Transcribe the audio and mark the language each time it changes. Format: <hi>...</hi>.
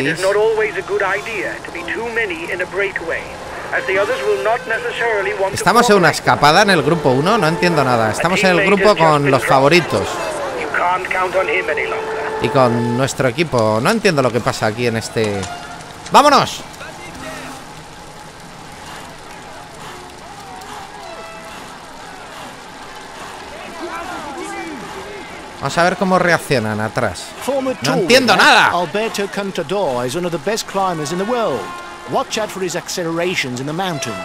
<en>It is not always a good idea to be too many in a breakaway, as the others will not necessarily want to.</en> <es>Estamos en una escapada en el grupo 1, no entiendo nada. Estamos en el grupo con los favoritos.</es> <en>You can't count on him any longer.</en> <es>Y con nuestro equipo, no entiendo lo que pasa aquí en este. ¡Vámonos! Vamos a ver cómo reaccionan atrás. No entiendo nada.</es> <en>Alberto Contador is one of the best climbers in the world. Watch out for his accelerations in the mountains.</en>